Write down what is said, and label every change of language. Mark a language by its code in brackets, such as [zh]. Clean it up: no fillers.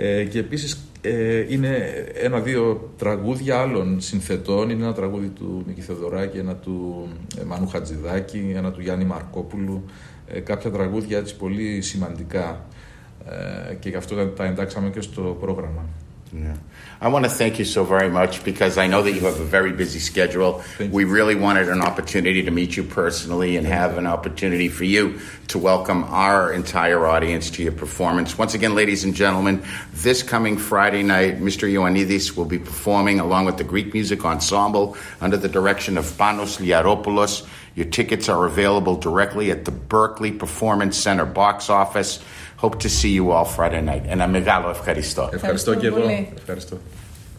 [el] Και επίσης είναι ένα-δύο τραγούδια άλλων συνθετών. Είναι ένα τραγούδι του Μίκη Θεοδωράκη, ένα του Μανού Χατζηδάκη, ένα του Γιάννη Μαρκόπουλου. Κάποια τραγούδια έτσι πολύ σημαντικά και γι' αυτό τα εντάξαμε και στο πρόγραμμα. [en] Yeah. I want to thank you so very much because I know that you have a very busy schedule. We really wanted an opportunity to meet you personally and have an opportunity for you to welcome our entire audience to your performance. Once again, ladies and gentlemen, this coming Friday night, Mr. Ioannidis will be performing along with the Greek Music Ensemble under the direction of Panos Liaropoulos. Your tickets are available directly at the Berklee Performance Center box office. Hope to see you all Friday night. And a [el] megalo ευχαριστώ. Ευχαριστώ και εγώ. Ευχαριστώ.